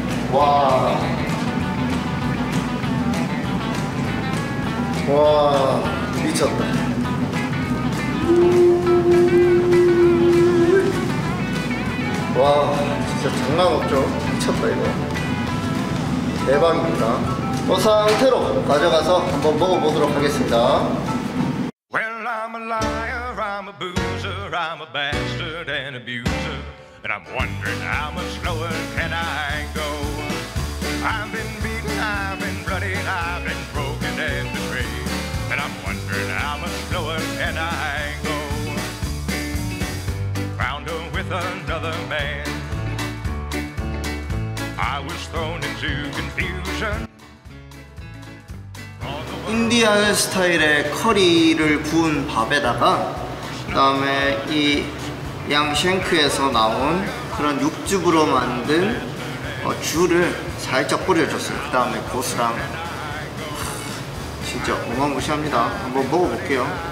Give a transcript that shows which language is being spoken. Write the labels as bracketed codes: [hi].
[ko] 와, 와, 미쳤다. 와, 진짜 장난 없죠? 미쳤다, 이거. 대박입니다. 뭐 상태로 가져가서 한번 먹어보도록 하겠습니다. [en] Well, I'm a liar, I'm a boozer, I'm a bastard and abuser. And I'm wondering how much slower can I go. I've been beaten, I've been bloody, I've been broken and betrayed. And I'm wondering how much slower can I go. Found her with another man. I was thrown into confusion. [ko] 인디안 스타일의 커리를 구운 밥에다가 그 다음에 이 양쉔크에서 나온 그런 육즙으로 만든 줄을 살짝 뿌려줬어요. 그 다음에 고수랑 진짜 어마무시합니다. 한번 먹어볼게요.